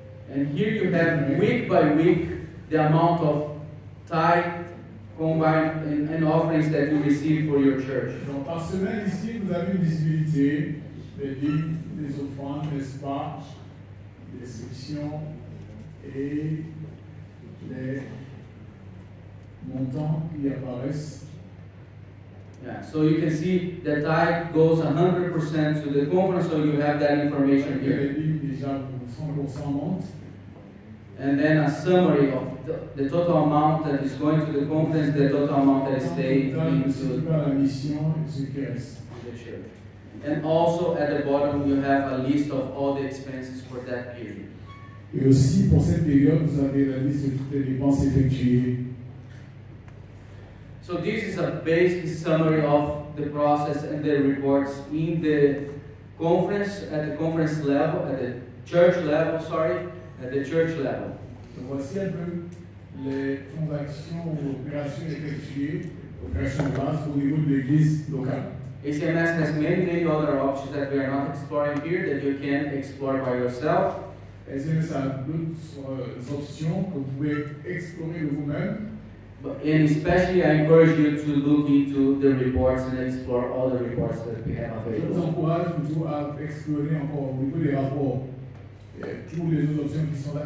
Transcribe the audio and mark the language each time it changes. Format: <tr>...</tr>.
<en>And here you have week by week the amount of tithe, combined and offerings that you receive for your church.</en> <fr>Donc par semaine ici vous avez une visibilité des dîmes, des offrandes, n'est-ce pas, des sections et les montants qui apparaissent.</fr> <en>Yeah, so you can see the tithe goes 100% to the conference, so you have that information here.</en> <fr>Déjà 100% monte.</fr> <en>And then a summary of the total amount that is going to the conference, the total amount that stays</en> <fr>into la mission, ce qui reste.</fr> <en>The church. And also at the bottom you have a list of all the expenses for that period.</en> <fr>Et aussi, pour cette période, vous avez la liste de toutes les dépenses effectuées.</fr> <en>So this is a basic summary of the process and the reports in the conference, at the conference level, at the church level, sorry, at the church level.</en> <fr>Donc voici un peu les transactions ou opérations effectuées, opérations basses au niveau de l'église locale.</fr> <en>ACMS has many, many other options that we are not exploring here that you can explore by yourself.</en> <fr>Et c'est ça, d'autres options que vous pouvez explorer vous-même.</fr> <en>But, and especially, I encourage you to look into the reports and explore all the reports that we have available.</en> <fr>Je vous encourage plutôt à explorer encore au niveau des rapports et toutes les autres options qui sont là.</fr>